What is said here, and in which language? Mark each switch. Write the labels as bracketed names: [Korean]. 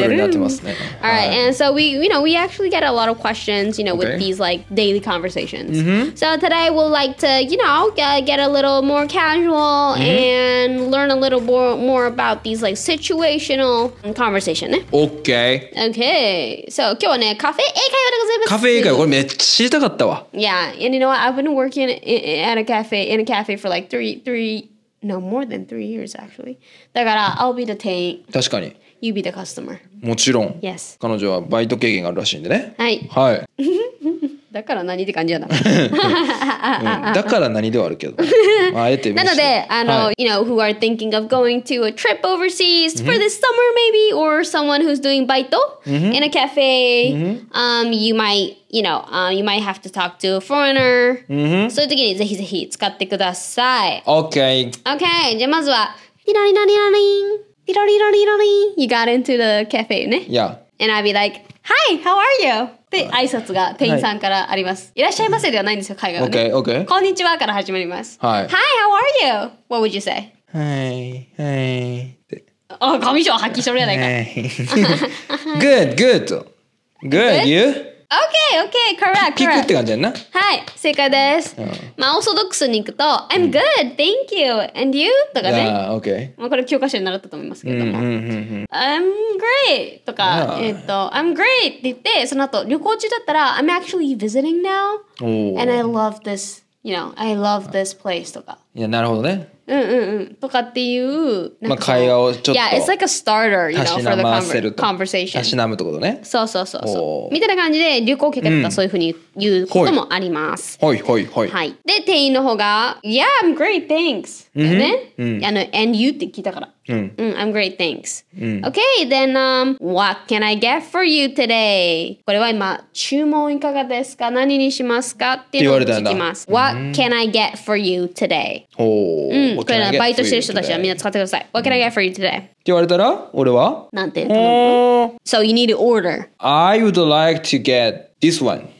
[English] Alright, and so we, you know, we actually get a lot of questions, you know, with these like daily conversations. So today we'll like to, you know, get a little more casual and learn a little more about these like situational conversation. Okay. [Japanese] So 今日はね、カフェ英会話でございます。カフェ英会話、これめっちゃ知りたかったわ。 [English] Yeah, and you know what? I've been working at a cafe in a cafe for like three. No, more than 3 years, actually. [Japanese] だから、 [English] I'll be the 店員。 [Japanese] 確かに。 [English] You be the customer. [Japanese] もちろん。 [English] Yes. [Japanese] 彼女はバイト経験があるらしいんでね。はい。はい。だから何って感じやな。だから何ではあるけど。あえて。なので、あの、はい、 [English] you know, who are thinking of going to a trip overseas for the summer, maybe, or someone who's doing バイト in a cafe, you might have to talk to a foreigner. [Japanese] そういう時にぜひぜひ使ってください。 [English] Okay. Okay. [Japanese] じゃあまずは、リロリロリロリン。 [English] リロリロリロリン。You got into the cafe, ね。 Yeah. And I'd be like, hi, how are you? [Japanese] で挨拶が店員さんからあります、はい。いらっしゃいませではないんですよ、海外は、ね。 [English] OK, OK. [Japanese] こんにちはから始まります。はい。 [English] Hi, how are you? What would you say? Hey, hey. [Japanese] あ、髪状発揮しろやないか。 [English] Good, good. Good, you? OK, OK, correct. [Japanese] ピクって感じやんな。はい、正解です。まあ、オーソドックスに行くと、 [English] I'm good, thank you, and you? [Japanese] とかね。 [English] Yeah, OK. [Japanese] まあ、これ教科書に習ったと思いますけども。 [English] I'm great! とか、I'm great! [Japanese] って言って、その後、旅行中だったら、 [English] I'm actually visiting now, and I love this, you know, I love this place, とか。 [Japanese] いや、なるほどね。とかっていう、なんか、まあ、会話をちょっと、 [English] yeah, it's like a starter, you know, for the conversation. [Japanese] たしなむってことね。そうそうそう。みたいな感じで、旅行客だったらそういうふうに言うこともあります。はいはいはい。はい。で、店員の方が、 [English] Yeah, I'm great, thanks. [Japanese] ね。 [English] あの、and you [Japanese] って聞いたから。 [English] I'm great, thanks. Okay, then, what can I get for you today? [Japanese] これは今、注文いかがですか？何にしますか？っていうのを聞きます。 [English] What can I get for you today? [Japanese] ほう。これはバイトしてる人たちはみんな使ってください。 [English] What can I get for you today? [Japanese] って言われたら、俺は？なんて言うの？ [English] So you need to order. I would like to get this one.